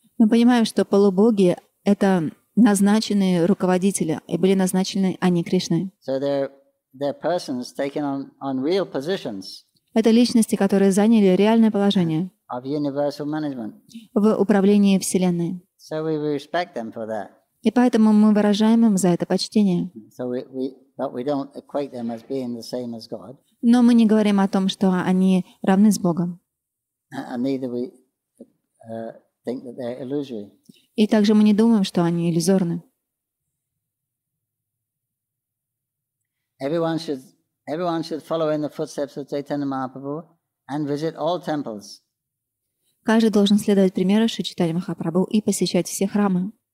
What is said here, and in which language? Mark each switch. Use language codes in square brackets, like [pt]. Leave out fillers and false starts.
[ru] Мы понимаем, что полубоги — это назначенные руководители, и были назначены они Кришной. [en] So they're persons taking on real positions. [ru] Это личности, которые заняли реальное положение [en] of universal management. [ru] В управлении Вселенной. [en] So we respect them for that. [ru] И поэтому мы выражаем им за это почтение. [en] So we don't equate them as being the same as God. [ru] Но мы не говорим о том, что они равны с Богом. [en] Think that they're illusory. [ru] И также мы не думаем, что они иллюзорны. [en] Everyone should follow in the footsteps of Chaitanya Mahaprabhu and visit all temples. [ru] Каждый должен следовать примеру Шри Чайтаньи Махапрабху и посещать все храмы.